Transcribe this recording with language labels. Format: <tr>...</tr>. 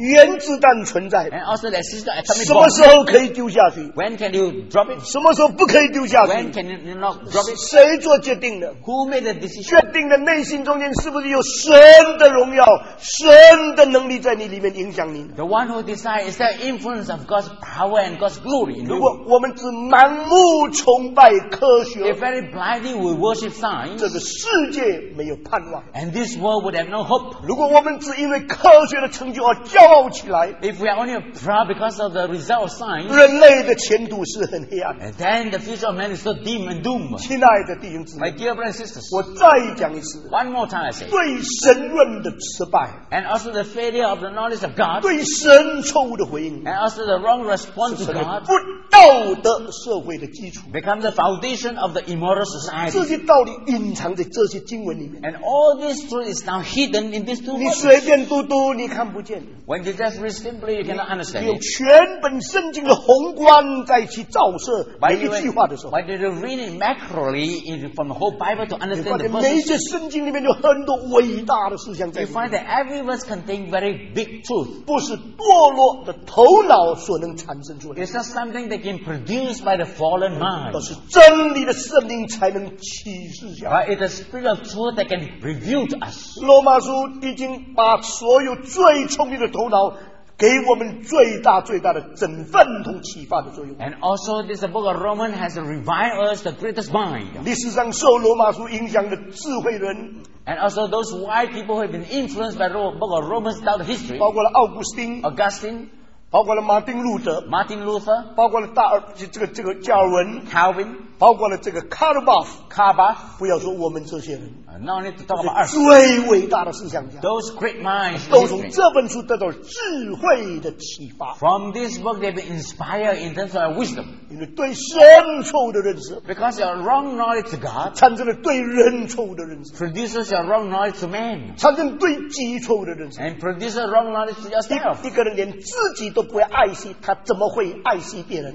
<zh>原子弹存在。</zh> <en>And also the existence of atomic bomb.</en> <zh>什么时候可以丢下去？</zh> <en>When can you drop it?</en> <zh>什么时候不可以丢下去？</zh> <en>When can you not drop it?</en> <zh>谁做决定的？</zh> <en>Who made the decision?</en> <zh>决定的内心中间是不是有神的荣耀、神的能力在你里面影响你？</zh> <en>The one who decides is the influence of God's power and God's glory in you.</en> <zh>如果我们只盲目崇拜科学，</zh> <en>If very blindly we worship science,</en> <zh>这个世界没有盼望。</zh> <en>And this world would have no hope.</en> <zh>如果我们只因为科学的成就而骄傲起来，</zh> <en>If we are only proud because of the result of science,</en> <zh>人类的前途是很黑暗。</zh> <en>And then the future of man is so dim and doom.</en> <zh>亲爱的弟兄姊妹，</zh> <en>My dear brothers and sisters,</en> <zh>我再讲一次，</zh> <en>One more time I say,</en> <zh>对神论的失败，</zh> <en>And also the failure of the knowledge of God,</en> <zh>对神错误的回应，</zh> <en>And also the wrong response to God,</en> <zh>不道德社会的基础，</zh> <en>Become the foundation of the immoral society.</en> <zh>这些道理隐藏在这些经文里面。</zh> <en>And all this truth is now hidden in these two verses.</en> <zh>你随便读读，你看不见。</zh> <en>When you just read simply, you cannot understand.</en> <zh>你用全本圣经的宏观再去照射每一句话的时候。</zh> <en>By the way, when you read it macroly from the whole Bible to understand the verses,</en> <zh>每一些圣经里面有很多伟大的思想在里面。</zh> <en>You find that every verse contains very big truth.</en> <zh>不是堕落的头脑所能产生出来。</zh> <en>It's not something that can produce by the fallen mind.</en> <zh>而是真理的圣灵才能启示下来。</zh> <en>But it's the spirit of truth that can reveal to us.</en> <zh>罗马书已经把所有最聪明的头脑给我们最大最大的振奋和启发的作用。</zh> <en>And also this book of Romans has revived us the greatest mind.</en> <zh>历史上受罗马书影响的智慧人。</zh> <en>And also those wise people who have been influenced by the book of Romans throughout history.</en> <zh>包括了奥古斯丁。</zh> <en>Augustine.</en> <zh>包括了马丁路德</zh> <en>Martin Luther</en> <zh>包括了大尔这个加尔文</zh> <en>Calvin</en> <zh>包括了这个 Karlbach</zh> <en>Karlbach</en> <zh>不要说我们这些人</zh> <en>Not only to talk about us</en> <zh>最伟大的思想家</zh> <en>Those great minds</en> <zh>都从这本书得到智慧的启发</zh> <en>From this book they've been inspired in terms of wisdom</en> <zh>因为对神错误的认识</zh> <en>Because your wrong knowledge to God</en> <zh>产生了对人错误的认识</zh> <en>Produces your wrong knowledge to man</en> <zh>产生对己错误的认识</zh> <en>And produces wrong knowledge to yourself</en> <zh>一个人连自己都不会爱惜，他怎么会爱惜别人？</zh>